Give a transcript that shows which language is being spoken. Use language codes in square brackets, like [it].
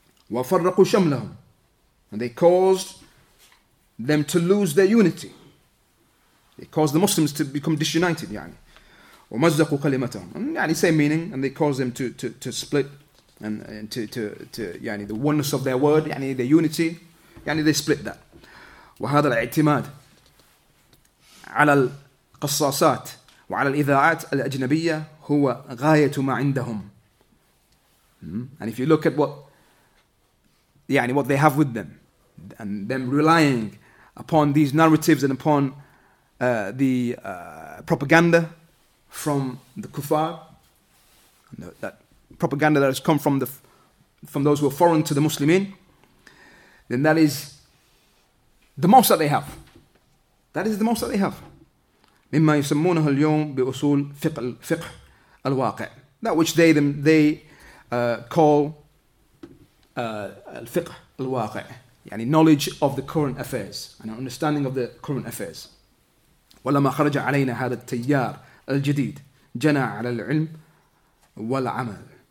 [ar] وَفَرَّقُوا شَمْلَهُمْ, [en] and they caused them to lose their unity. They caused the Muslims to become disunited. يعني. [ar] وَمَزَّقُوا كَلِمَتَهُمْ, [en] يعني same meaning, and they caused them to split. And to يعني the oneness of their word, يعني their unity, يعني they split that. [ar] وهذا الاعتماد على القصاصات وعلى الإذاعات الأجنبية هو غاية ما عندهم. [en] And if you look at what they have with them, and them relying upon these narratives and upon propaganda from the kuffar, that propaganda that has come from those who are foreign to the Muslimin, then that is the most that they have. That is the most that they have. [ar] مما يسمونه اليوم بأصول فقه الواقع. [en] That which they call الفقه الواقع. يعني knowledge of the current affairs and an understanding of the current affairs. [ar] ولما خرج علينا هذا التيار الجديد جنى على العلم والعمل.